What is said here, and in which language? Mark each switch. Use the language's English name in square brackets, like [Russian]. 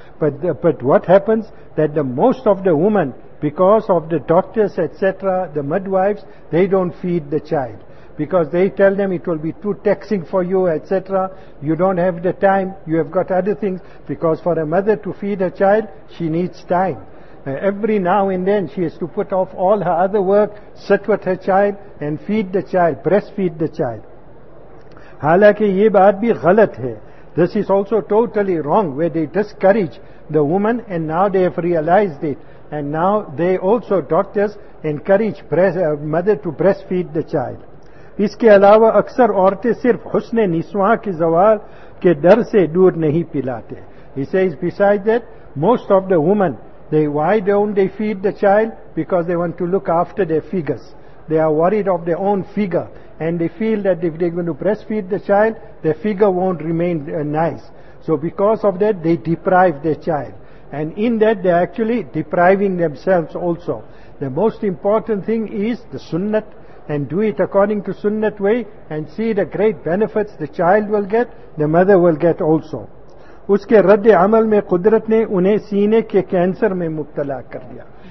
[English] But what happens that the most of the women, because of the doctors etc., the midwives, they don't feed the child because they tell them it will be too taxing for you etc., you don't have the time, you have got other things. Because for a mother to feed a child, she needs time. Every now and then she has to put off all her other work, sit with her child and feed the child, breastfeed the child. [Urdu] حالانکہ یہ بات بھی غلط ہے. [English] This is also totally wrong where they discourage the woman and now they have realized it. And now they also, doctors, encourage mother to breastfeed the child. [Urdu] اس کے علاوہ اکثر عورتیں صرف حسن نسواں کے زوال کے ڈر سے دور نہیں پلاتے. [English] He says besides that, most of the women, why don't they feed the child? Because they want to look after their figures. They are worried of their own figure. And they feel that if they're going to breastfeed the child, their figure won't remain nice. So because of that, they deprive their child. And in that, they're actually depriving themselves also. The most important thing is the sunnat. And do it according to sunnat way. And see the great benefits the child will get, the mother will get also. [Urdu] اس کے رد عمل میں قدرت نے انہیں سینے کے cancer میں مبتلا کر دیا.